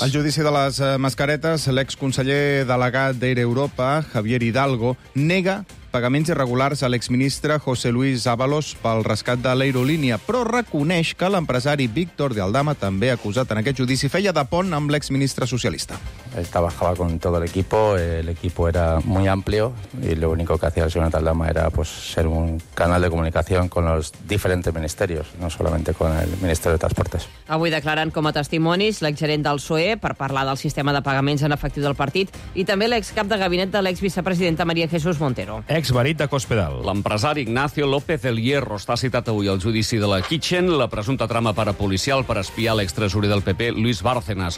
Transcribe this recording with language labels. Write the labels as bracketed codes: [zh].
[ca] Al judici de les mascaretes, l'exconseller delegat d'Air Europa, Javier Hidalgo, nega pagaments irregulars a l'exministre José Luis Ábalos pel rescat de l'aerolínia, però reconeix que l'empresari Víctor de Aldama, també acusat en aquest judici, feia de pont amb l'exministre socialista. [es] Él trabajaba con todo el equipo, el equipo era muy amplio y lo único que hacía el señor Aldama era pues, ser un canal de comunicación con los diferentes ministerios, no solamente con el Ministerio de Transportes. [ca] Avui declaren com a testimonis l'exgerent del PSOE per parlar del sistema de pagaments en efectiu del partit i també l'excap de gabinet de l'exvicepresidenta María Jesús Montero. Exmarit de Cospedal. L'empresari Ignacio López del Hierro està citat avui al judici de la Kitchen, la presumpta trama parapolicial per espiar l'extresorer del PP, Luis Bárcenas.